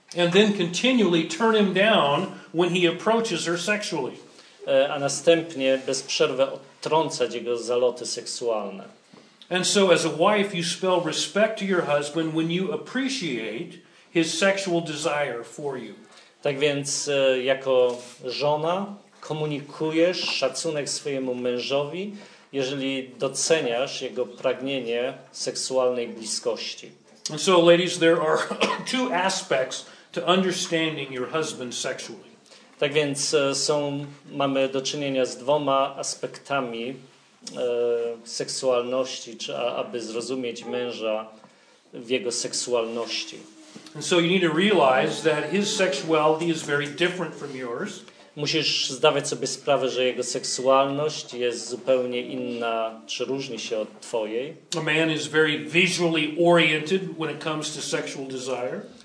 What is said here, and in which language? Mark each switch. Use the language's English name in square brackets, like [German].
[English] And then continually turn him down when he approaches her sexually. [Polish] A następnie bez przerwy odtrącać jego zaloty seksualne. [English] And so as a wife you spell respect to your husband when you appreciate his sexual desire for you. [Polish] Tak więc jako żona komunikujesz szacunek swojemu mężowi, jeżeli doceniasz jego pragnienie seksualnej bliskości. [English] And so ladies, there are two aspects to understanding your husband sexually. [Polish] Tak więc mamy do czynienia z dwoma aspektami seksualności, czy aby zrozumieć męża w jego seksualności. [English] And so you need to realize that his sexuality is very different from yours. [Polish] Musisz zdawać sobie sprawę, że jego seksualność jest zupełnie inna, czy różni się od twojej. [English] A man is very visually oriented when it comes to sexual desire.